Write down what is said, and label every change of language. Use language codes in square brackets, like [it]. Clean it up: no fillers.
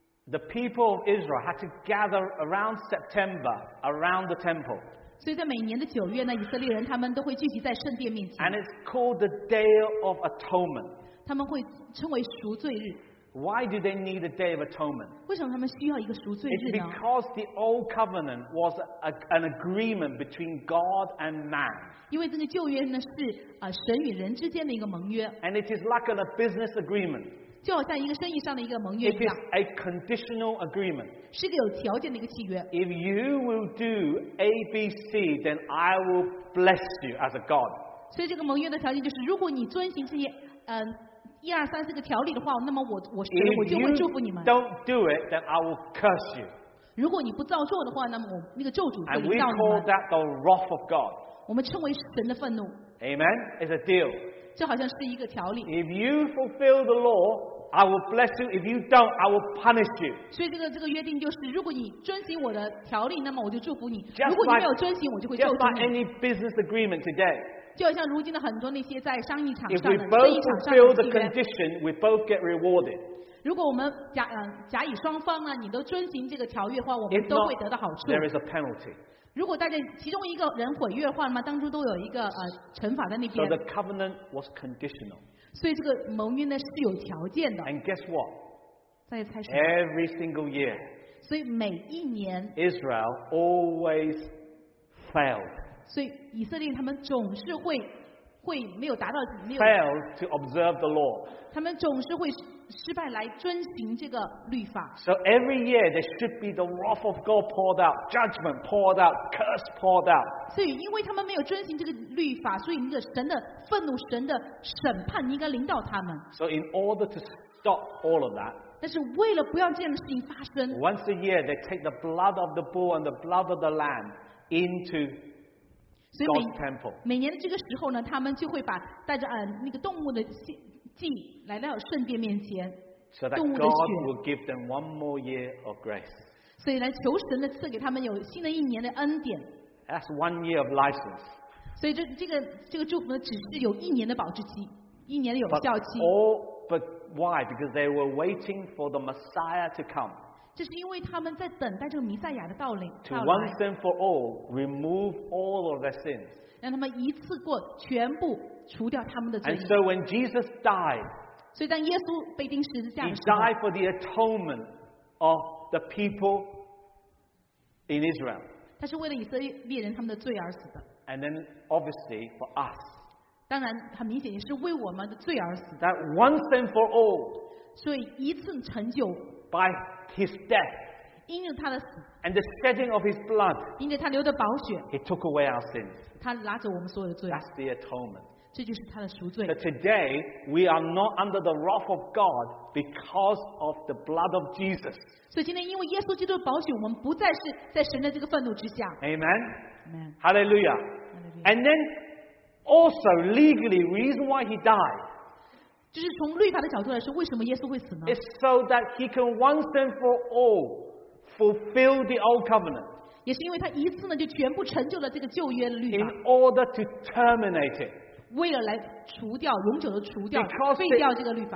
[en] the people of Israel had to gather around September around the temple. [zh] 所以在每年的九月呢，以色列人他们都会聚集在圣殿面前。 [en] And it's called the Day of Atonement. [zh] 他们会称为赎罪日。 [en] Why do they need a Day of Atonement? [zh] 为什么他们需要一个赎罪日呢？ [en] It's because the Old Covenant was an agreement between God and man. [zh] 因为这个旧约呢是神与人之间的一个盟约。 [en] And it is like a business agreement. [zh] 就好像一个生意上的一个盟约一样。 [en] It is a conditional agreement. [zh] 是个有条件的一个契约。 [en] If you will do A, B, C, then I will bless you as a God. [zh] 所以这个盟约的条件就是，如果你遵循这些一二三四个条例的话，那么我就会祝福你们。 [en] If you don't do it, then I will curse you. [zh] 如果你不照做的话，那么我那个咒诅就临到你们。 [en] And we call that the wrath of God. [zh] 我们称为神的愤怒。 [en] Amen. It's a deal. [zh] 就好像是一个条例。 [en] If you fulfill the law, I will bless you. If you don't, I will punish you. [zh] 所以这个约定就是，如果你遵循我的条例，那么我就祝福你；如果你没有遵循，我就会咒诅你。 [en] Just like any business agreement today. [zh] 就像如今的很多那些在商业场上 [en] 的，If we both fulfill the condition, we both get rewarded. [zh] 如果我们甲乙双方呢，你都遵循这个条约的话，我们都会得到好处。 [en] If not, there is a penalty. [zh] 如果大家其中一个人毁约的话，那么当初都有一个惩罚在那边。 [en] So the covenant was conditional. [zh] 所以这个盟约呢是有条件的。 [en] And guess what? [zh] 再猜什 [en] 么？Every single year. [zh] 所以每一年。 [en] Israel always failed. [zh] 所以以色列他们总是会。会没有达到没有 [en] fail to observe the law. [zh] 他们总是会失败来遵循这个律法。 [en] So every year there should be the wrath of God poured out, judgment poured out, curse poured out. [zh] 所以因为他们没有遵循这个律法，所以那个神的愤怒、神的审判应该临到他们。 [en] So in order to stop all of that, [zh] 但是为了不要这样的事情发生 [en] ，once a year they take the blood of the bull and the blood of the lamb into God's temple. [zh] 所以每年的这个时候呢，他们就会把带着那个动物的祭来到圣殿面前，动物的血。 [en] So that God will give them one more year of grace. [zh] 所以来求神的赐给他们有新的一年的恩典。 [en] That's one year of license. [zh] 所以这个祝福呢，只是有一年的保质期，一年的有效期。 [en] But why? Because they were waiting for the Messiah to come. [zh] 这是因为他们在等待这个弥赛亚的到来。 [en] To once and for all, remove all of their sins. [zh] 让他们一次过全部除掉他们的罪。 [en] And so when Jesus died, [zh] 所以当耶稣被钉十字架的时候 [en] ，He died for the atonement of the people in Israel. [zh] 他是为了以色列人他们的罪而死的。 [en] And then obviously for us. [zh] 当然，很明显也是为我们的罪而死。 [en] That once and for all. [zh] 所以一次成就。 [en] By his death, [zh] 因着他的死 [en] and the shedding of his blood, [zh] 因着他流的宝血 [en] he took away our sins. [zh] 他拿走我们所有的罪 [en] That's the atonement. [zh] 这就是他的赎罪 [en] So today, we are not under the wrath of God because of the blood of Jesus. [zh] 所以今天因为耶稣基督的宝血，我们不再是在神的这个愤怒之下 [en] Amen. Amen. Hallelujah. And then, also legally, reason why he died. [zh] 就是从律法的角度来说，为什么耶稣会死呢 [en] ？It's so that he can once and for all fulfill the old covenant. [zh] 也是因为他一次呢就全部成就了这个旧约律法。 [en] In order to terminate it. [zh] 为了来除掉，永久的除掉，废掉这个律法。